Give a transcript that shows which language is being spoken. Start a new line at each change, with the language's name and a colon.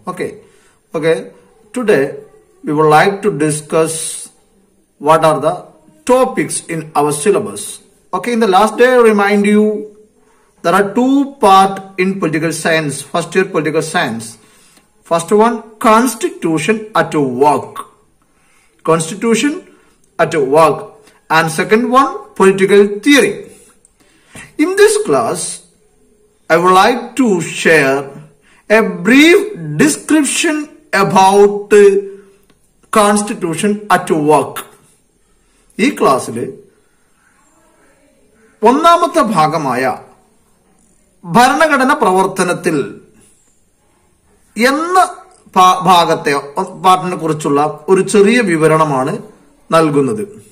English: Okay okay, today we would like to discuss what are the topics in our syllabus. Okay, in the last day I remind you there are two part in political science, first year political science. First one, constitution at work, constitution at work. And second one, political theory. In this class, I would like to share a brief description about constitution at work.
Malayalam: ഈ ക്ലാസ്സിൽ ഒന്നാമത്തെ ഭാഗമായ ഭരണഘടന പ്രവർത്തനത്തിൽ എന്ന ഭാഗത്തെ പാർട്ടിനെ കുറിച്ചുള്ള ഒരു ചെറിയ വിവരണമാണ് നൽകുന്നത്.